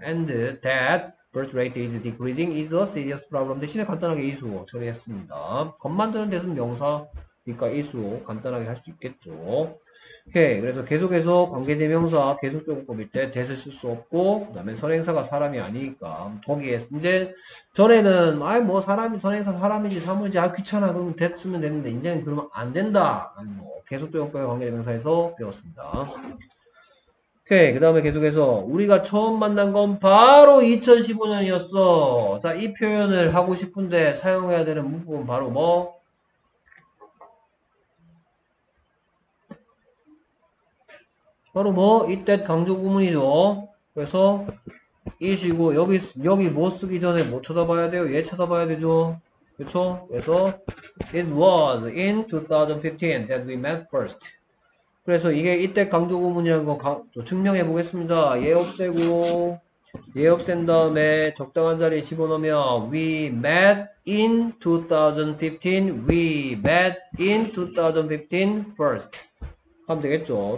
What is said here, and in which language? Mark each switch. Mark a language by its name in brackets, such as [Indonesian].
[English] And that birth rate is decreasing is a serious problem. [Korean] 대신에 간단하게 is/or 처리했습니다. 겉만 드는 대신 명사니까 is/or 간단하게 할 수 있겠죠. 오케이. 그래서 계속해서 관계대명사 계속적 것일 때 that을 쓸 수 없고, 그 다음에 선행사가 사람이 아니니까. 거기에, 이제, 전에는, 아이, 뭐, 사람이, 선행사 사람이지, 사물이지, 아, 귀찮아. 그러면 that 쓰면 되는데, 이제는 그러면 안 된다. 뭐 계속적 것과 관계대명사에서 배웠습니다. 오케이. 그 다음에 계속해서, 우리가 처음 만난 건 바로 2015년이었어. 자, 이 표현을 하고 싶은데 사용해야 되는 문법은 바로 뭐? 바로 뭐 이때 강조구문이죠. 그래서 이시고 여기 뭐 쓰기 전에 뭐 쳐다봐야 돼요? 얘 쳐다봐야 되죠. 그렇죠? [English] 그래서 it was in 2015 that we met first. [Korean] 그래서 이게 이때 강조구문이라는 거 증명해 보겠습니다. 얘 없애고 얘 없앤 다음에 적당한 자리에 집어넣으면 [English] we met in 2015. we met in 2015 first. [Korean] 하면 되겠죠.